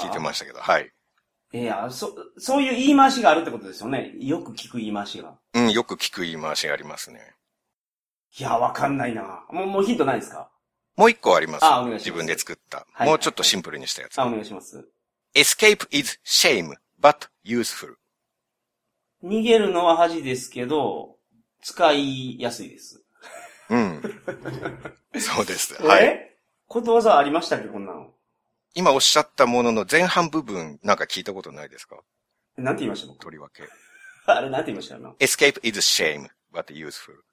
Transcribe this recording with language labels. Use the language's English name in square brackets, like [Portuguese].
[Japanese] 聞いてましたけど、はい。そういう言い回しがあるってことですよね。よく聞く言い回しが。うん、よく聞く言い回しがありますね。いや、わかんないな。もうヒントないですか。もう一個あります。あ、お願いします。自分で作った、はい。もうちょっとシンプルにしたやつ。はいはい、あ、お願いします。 [English] Escape is shame, but useful. [Japanese] 逃げるのは恥ですけど、使いやすいです。うん。そうです。はい。ことわざありましたっけ、こんなの。今おっしゃったものの前半部分なんか聞いたことないですか？なんて言いましたとりわけ。あれなんて言いましたの？ [English] Escape is shame, but useful.